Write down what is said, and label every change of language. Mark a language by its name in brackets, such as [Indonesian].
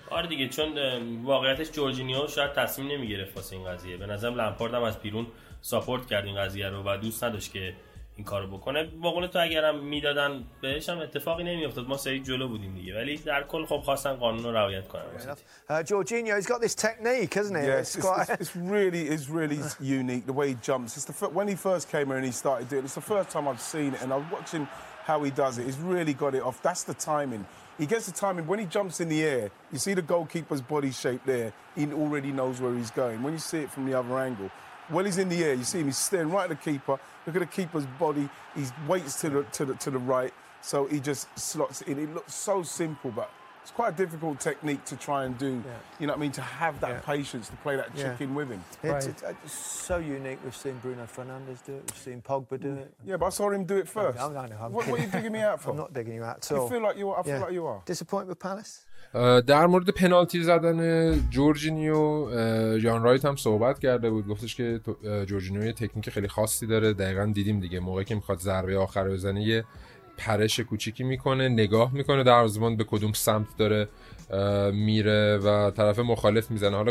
[Persian] آره دیگه، چون واقعیتش جورجینیو شاید تصمیم نمیگرفت واسه این قضیه، به نظرم لامپارد هم از بیرون ساپورت کرد این قضیه رو و دوست نداشت که این کارو بکنه. با قول تو اگرم میدادن بهش هم اتفاقی نمیافتاد، ما سری جلو بودیم دیگه، ولی در کل خب خواستن قانون رو رعایت کنن. [English] Jorginho's got this technique, hasn't he? Yes, it's really unique, the way he jumps. It's the when he first came here and he started doing it, it's the first time I've seen it, and I'm watching how he does it. He's really got it off. That's the timing. He gets the timing. When he jumps in the air, you see the goalkeeper's body shape there. He already knows where he's going. When you see it from the other angle, while he's in the air, you see him, he's staring right at the keeper. Look at the keeper's body. He waits to the right, so he just slots in. It looks so simple, but It's quite a difficult technique to try and do, you know what I mean, to have that patience to play that chicken with him. It's so unique. We've seen Bruno Fernandes do it. We've seen Pogba do it. Yeah, but I saw him do it first. What are you digging me out for? I'm not digging you out at all. I feel like you are. Disappointed with Palace? [Persian] در مورد پنالتی زدن جورجینیو جان رایت هم صحبت کرده بود، گفتش که جورجینیو یه تکنیک خیلی خاصی داره، دقیقا دیدیم دیگه، موقعی که میخواد ضربه آخر بزنه یه پرش کوچیکی میکنه، نگاه میکنه در زمان به کدوم سمت داره میره و طرف مخالف میزنه.